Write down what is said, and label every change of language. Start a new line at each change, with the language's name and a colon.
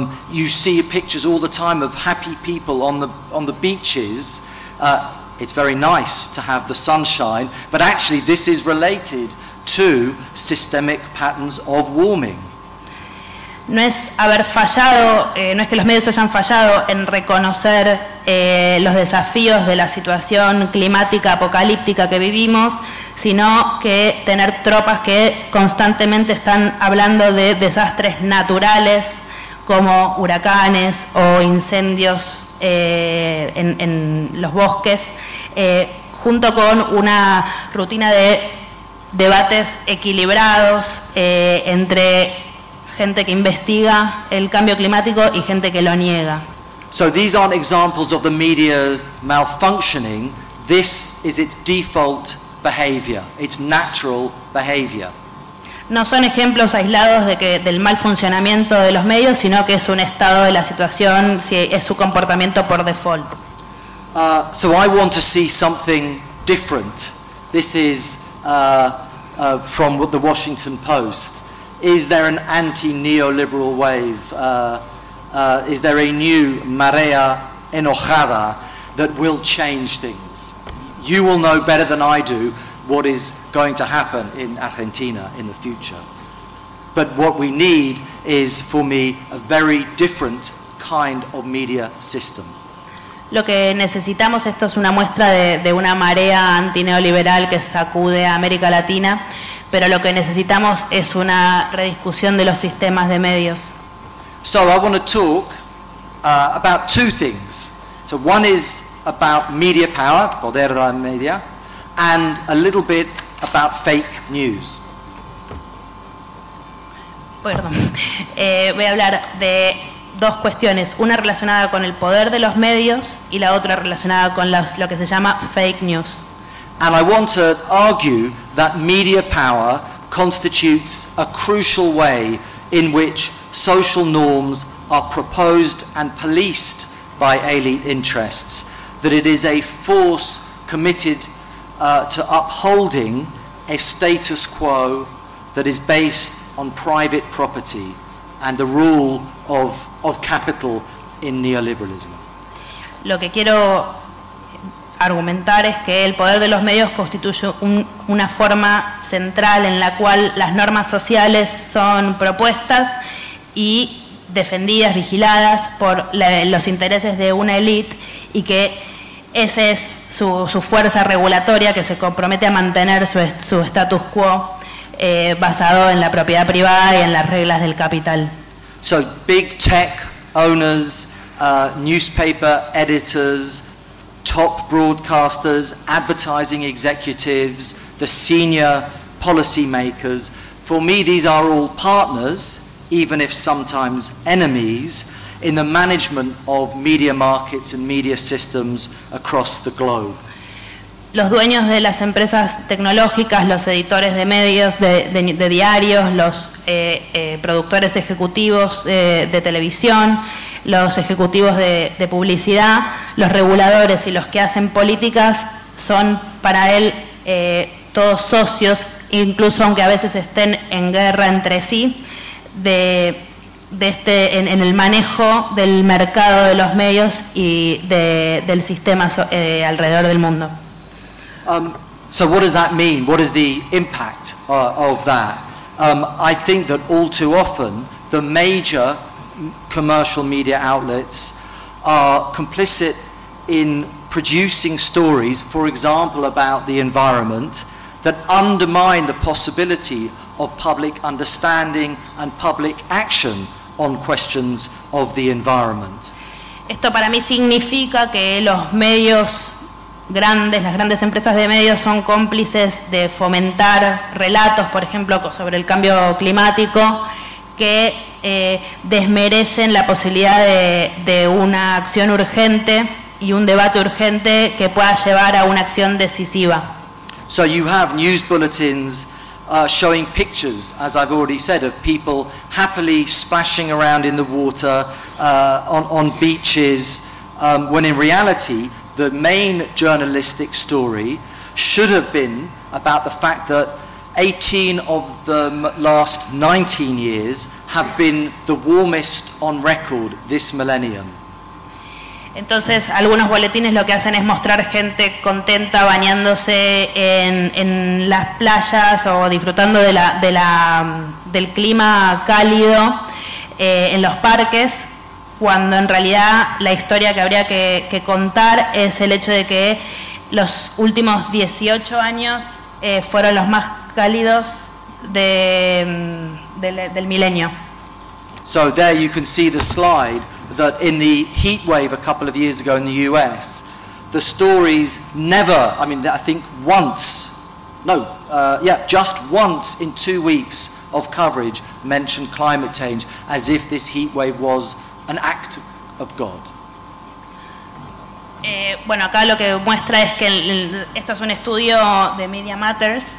English: You see pictures all the time of happy people on the beaches. It's very nice to have the sunshine, but actually this is related to systemic patterns of warming.
Spanish: No es haber fallado, no es que los medios hayan fallado en reconocer los desafíos de la situación climática apocalíptica que vivimos, sino que tener tropas que constantemente están hablando de desastres naturales como huracanes o incendios en los bosques, junto con una rutina de debates equilibrados entre gente que investiga el cambio climático y gente que lo niega.
English: So these aren't examples of the media malfunctioning. This is its default behavior, its natural behavior.
Spanish: No son ejemplos aislados del mal funcionamiento de los medios, sino que es un estado de la situación, si es su comportamiento por default.
English: So I want to see something different. This is from the Washington Post. Is there an anti-neoliberal wave? Is there a new
Spanish: marea enojada
English: that will change things. You will know better than I do what is going to happen in Argentina in the future. But what we need is, for me, a very different kind of media system.
Spanish: Lo que necesitamos, esto es una muestra de una marea antineoliberal que sacude a América Latina, pero lo que necesitamos es una rediscusión de los sistemas de medios.
English: So I want to talk about two things. So one is about media power,
Spanish: poder de la media,
English: and a little bit about fake news.
Spanish: Perdón. Voy a hablar de dos cuestiones, una relacionada con el poder de los medios y la otra relacionada con lo que se llama fake news.
English: And I want to argue that media power constitutes a crucial way in which social norms are proposed and policed by elite interests, that it is a force committed to upholding a status quo that is based on private property and the rule of capital in neoliberalism.
Spanish: Lo que quiero argumentar es que el poder de los medios constituye una forma central en la cual las normas sociales son propuestas y defendidas, vigiladas por los intereses de una élite, y que esa es su fuerza regulatoria, que se compromete a mantener su status quo basado en la propiedad privada y en las reglas del capital.
English: So big tech owners, newspaper editors, top broadcasters, advertising executives, the senior policy makers, for me these are all partners, even if sometimes enemies, in the management of media markets and media systems across the globe.
Spanish: Los dueños de las empresas tecnológicas, los editores de medios, de diarios, los productores ejecutivos de televisión, los ejecutivos de publicidad, los reguladores y los que hacen políticas son para él todos socios, incluso aunque a veces estén en guerra entre sí, en el manejo del mercado de los medios y del sistema alrededor del mundo.
English: So what does that mean? What is the impact of that? I think that all too often the major commercial media outlets are complicit in producing stories, for example about the environment, that undermine the possibility of public understanding and public action on questions of the environment.
Spanish: Esto para mí significa que los medios grandes, las grandes empresas de medios son cómplices de fomentar relatos, por ejemplo, sobre el cambio climático, que desmerecen la posibilidad de una acción urgente y un debate urgente que pueda llevar a una acción decisiva.
English: So you have news bulletins showing pictures, as I've already said, of people happily splashing around in the water on beaches, when in reality the main journalistic story should have been about the fact that 18 of the last 19 years have been the warmest on record this millennium.
Spanish: Entonces, algunos boletines lo que hacen es mostrar gente contenta bañándose en las playas o disfrutando del clima cálido en los parques, cuando en realidad la historia que habría que contar es el hecho de que los últimos 18 años fueron los más cálidos del milenio.
English: So there you can see the slide that in the heat wave a couple of years ago in the US, the stories never, I mean I think once, no, yeah, just once in 2 weeks of coverage mentioned climate change as if this heat wave was an act of God.
Spanish: Bueno, acá lo que muestra es que esto es un estudio de Media Matters.